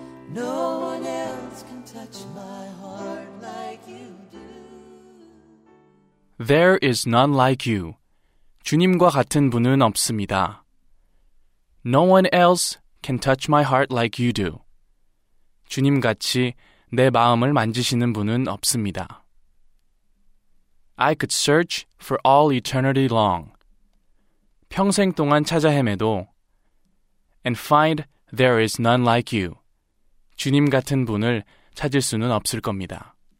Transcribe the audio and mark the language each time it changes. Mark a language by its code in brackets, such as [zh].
[en] No one else can touch my heart like you do. There is none like you. [ko] 주님과 같은 분은 없습니다. [en] No one else can touch my heart like you do. [ko] 주님같이 내 마음을 만지시는 분은 없습니다. [en] I could search for all eternity long. [ko] 평생 동안 찾아 헤매도 [en] And find there is none like you. [ko] 주님 같은 분을 찾을 수는 없을 겁니다.